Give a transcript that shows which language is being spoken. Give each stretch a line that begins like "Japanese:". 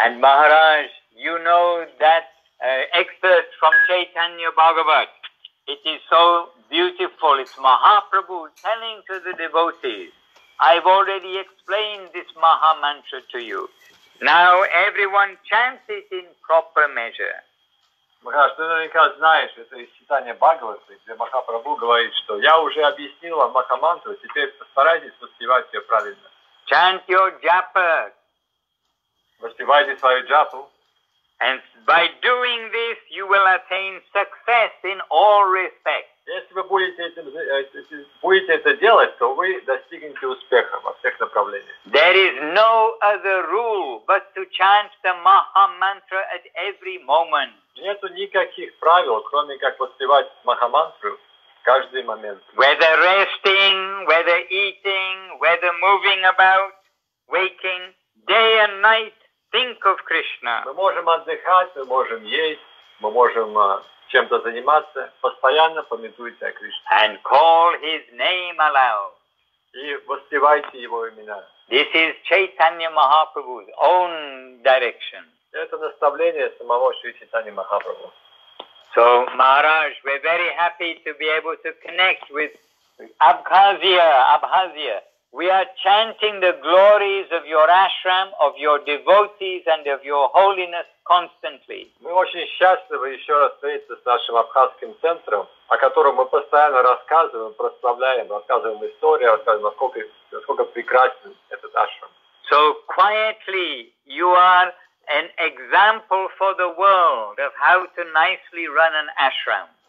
English: And Maharaj, you know that excerpt from Chaitanya Bhagavat. It is so beautiful. It's Mahaprabhu telling to the devotees, I've already explained this Maha Mantra to you. Now everyone chants it in proper measure.
Russian: Махарадж, ты наверняка знаешь, это из читания Бхагаваты, где Махапрабху говорит, что я уже объяснил вам Маха Мантру, теперь постарайтесь воспевать ее правильно.
English: Chant your japa.
Russian: Воспевайте свою джапу.
English: And by doing this, you will attain success in all respects.
Russian: Если вы будете это делать, то вы достигнете успеха во всех направлениях.
English: There is no other rule but to chant the Maha Mantra at every moment.
Russian: Нету никаких правил, кроме как воспевать Маха Мантру каждый момент.
English: Whether resting, whether eating, whether moving about, waking, day and night. Think of Krishna.
Russian: Мы можем отдыхать, мы можем есть, мы можем чем-то заниматься. Постоянно помнитуйте о Кришне.
English: And call His name aloud.
Russian: И воспевайте Его имена.
English: This is Chaitanya Mahaprabhu's own direction.
Russian: Это наставление самого Шри Чайтаньи Махапрабху.
English: So, Maharaj, we're very happy to be able to connect with Abkhazia, Abkhazia. We are chanting the glories of your ashram, of your devotees, and of your holiness constantly.
Russian: Мы очень счастливы еще раз встретиться с нашим абхазским центром, о котором мы постоянно рассказываем, прославляем, рассказываем истории, рассказываем, насколько прекрасен этот ашрам.
English: So quietly, you are an example for the world of how to nicely run an ashram.